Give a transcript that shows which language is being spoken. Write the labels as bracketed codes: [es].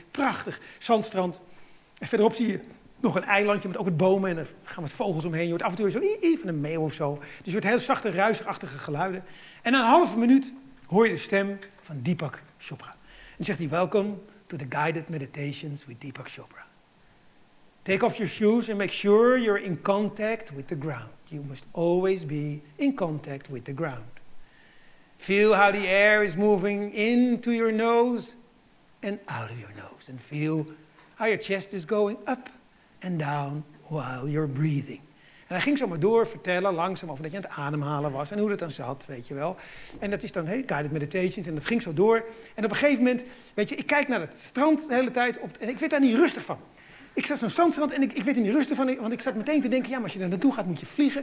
[nl] Prachtig, zandstrand. En verderop zie je nog een eilandje met ook wat bomen en er gaan wat vogels omheen. Je hoort af en toe zo van een meeuw of zo. Dus je hoort heel zachte, ruisachtige geluiden. En na een halve minuut hoor je de stem van Deepak Chopra. En zegt hij, [en] welcome to the guided meditations with Deepak Chopra. Take off your shoes and make sure you're in contact with the ground. You must always be in contact with the ground. Feel how the air is moving into your nose and out of your nose. And feel how your chest is going up and down while you're breathing. [nl] En hij ging zo maar door vertellen, langzaam, over dat je aan het ademhalen was en hoe dat dan zat, weet je wel. En dat is dan, hey, guided meditations, en dat ging zo door. En op een gegeven moment, weet je, ik kijk naar het strand de hele tijd op, en ik werd daar niet rustig van. Ik zat zo'n zandstrand en ik werd er niet rustig van, want ik zat meteen te denken, ja, maar als je daar naartoe gaat, moet je vliegen.